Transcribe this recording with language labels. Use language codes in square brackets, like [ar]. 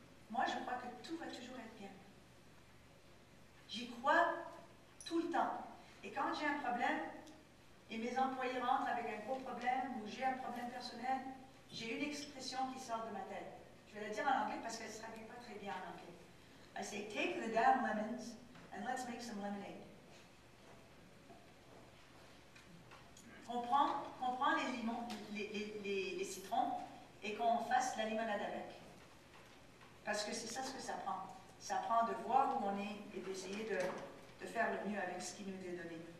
[fr] Moi, je crois que tout va toujours être bien. J'y crois tout le temps. Et quand j'ai un problème, et mes employés rentrent avec un gros problème, ou j'ai un problème personnel, j'ai une expression qui sort de ma tête. Je vais la dire en anglais parce qu'elle ne se traduit pas très bien en anglais. [en] I say, take the damn lemons and let's make some lemonade. [fr] Qu'on prend les limons, les citrons, et qu'on fasse la limonade avec. Parce que c'est ça ce que ça prend. Ça prend de voir où on est et d'essayer de faire le mieux avec ce qui nous est donné.